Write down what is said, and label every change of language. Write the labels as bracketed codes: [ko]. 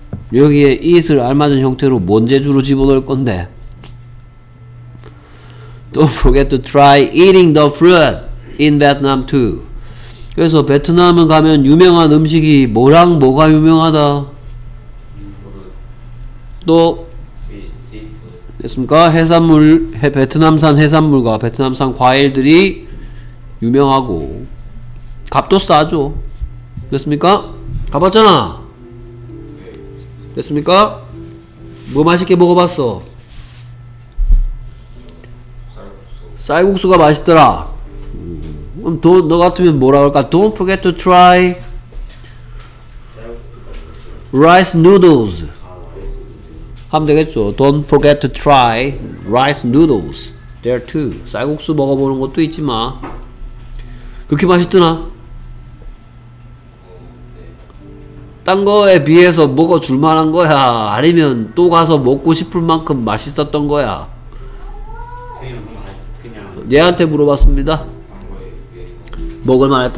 [ko] 여기에 it을 알맞은 형태로 뭔 재주로 집어넣을 건데? [en] Don't forget to try eating the fruit in Vietnam too. [ko] 그래서 베트남에 가면 유명한 음식이 뭐랑 뭐가 유명하다? 또 됐습니까? 해산물, 베트남산 해산물과 베트남산 과일들이 유명하고 값도 싸죠. 됐습니까? 가봤잖아. 됐습니까? 뭐 맛있게 먹어봤어? 쌀국수가 맛있더라. 그럼 너 같으면 뭐라 할까? [en] Don't forget to try rice noodles. [ko] 하면 되겠죠. [en] Don't forget to try rice noodles there too. [ko] 쌀국수 먹어보는 것도 있지 마. 그렇게 맛있더나? 딴 거에 비해서 먹어줄 만한 거야? 아니면 또 가서 먹고 싶을 만큼 맛있었던 거야? 얘한테 물어봤습니다. 먹을 만했다.